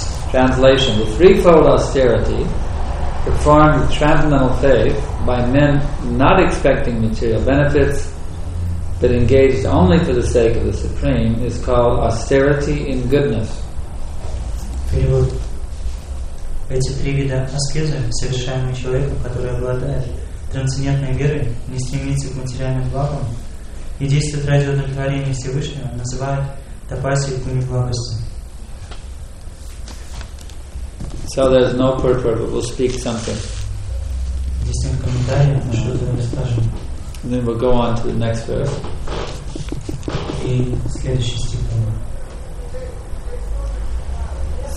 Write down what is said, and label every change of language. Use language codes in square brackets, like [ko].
[en] Translation: the threefold austerity performed with transcendental faith by men not expecting material benefits but engaged only for the sake of the Supreme is called austerity in goodness. [ru] Перевод. Эти три вида аскезы, совершаемые человеком, который обладает трансцендентной верой, не стремится к материальным благам и действует ради удовлетворения Всевышнего, называют тапасью и пуни-благостью. [en] So there's no purport, but we'll speak something. And then we'll go on to the next verse.